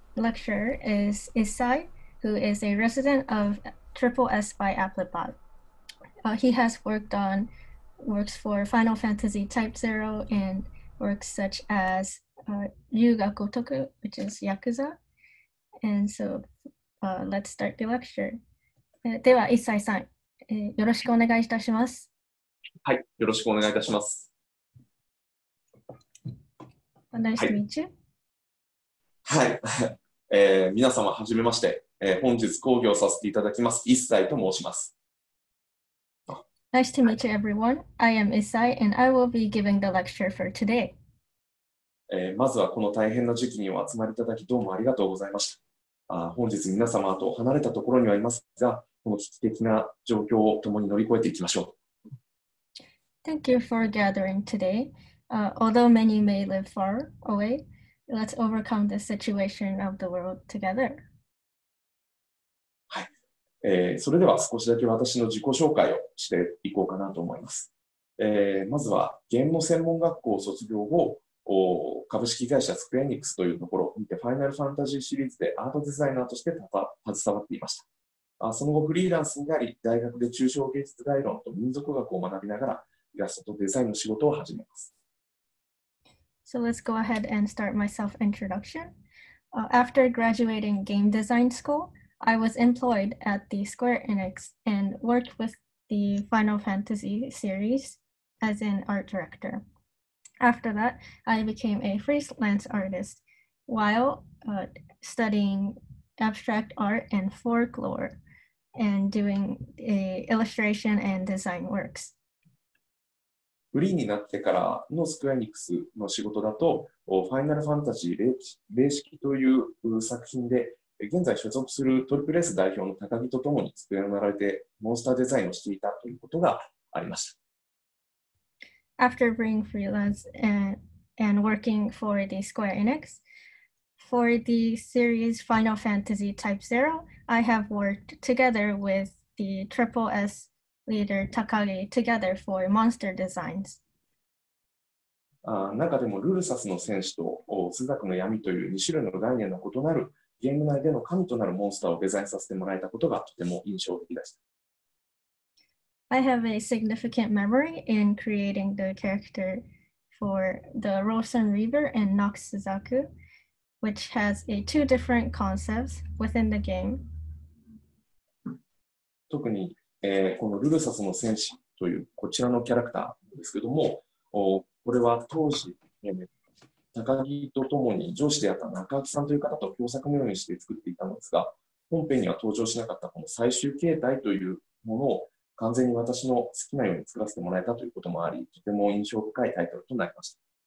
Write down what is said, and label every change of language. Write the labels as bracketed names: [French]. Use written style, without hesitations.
[English] lecturer is Isai, who is a resident of SSS by Applebot. He has worked on works for Final Fantasy Type Zero and works such as Ryugakotoku, which is Yakuza. And so let's start the lecture. [Japanese] では、一斉さん、よろしくお願いいたします。はい、よろしくお願いいたします。 [English] Nice to meet you. [Japanese] はい、皆様、はじめまして。本日講義をさせていただきます、一斉と申します。 [English] Nice to meet you, everyone. I am Isai, and I will be giving the lecture for today. [Japanese] まずはこの大変な時期にお集まりいただき、どうもありがとうございました。本日皆様と離れたところにはいますが、この危機的な状況を共に乗り越えていきましょう。 [English] Thank you for gathering today. Although many may live far away, let's overcome the situation of the world together. [Japanese] はい。それでは少しだけ私の自己紹介をしていこうかなと思います。まずはゲームの専門学校を卒業後、株式会社スクエニックスというところにてファイナルファンタジーシリーズでアートデザイナーとして携わっていました。その後フリーランスになり、大学で抽象芸術概論と民族学を学びながらイラストとデザインの仕事を始めます。 [English] So let's go ahead and start my self-introduction. After graduating game design school, I was employed at the Square Enix and worked with the Final Fantasy series as an art director. After that, I became a freelance artist while studying abstract art and folklore and doing illustration and design works. [Japanese] フリーになってからのスクエニックスの仕事だと、ファイナルファンタジー零式という作品で、現在所属するトリプルS代表の高木とともに作り上げてモンスターデザインをしていたということがありました。 [English] After being freelance and working for the Square Enix, for the series Final Fantasy Type Zero, I have worked together with the SSS leader Takagi together for monster designs. [Japanese] 中でもルルサスの戦士とスザクの闇という2種類の概念の異なるゲーム内での神となるモンスターをデザインさせてもらえたことがとても印象的でした。 [English] I have a significant memory in creating the character for the Rosen Reaver and Nox Suzaku, which has two different concepts within the game. [Japanese] 特に、このルルサスの戦士というこちらのキャラクターですけども、これは当時、高木とともに上司であった中明さんという方と共作のようにして作っていたのですが、本編には登場しなかったこの最終形態というものを完全に私の好きなように作らせてもらえたということもあり、とても印象深いタイトルとなりました。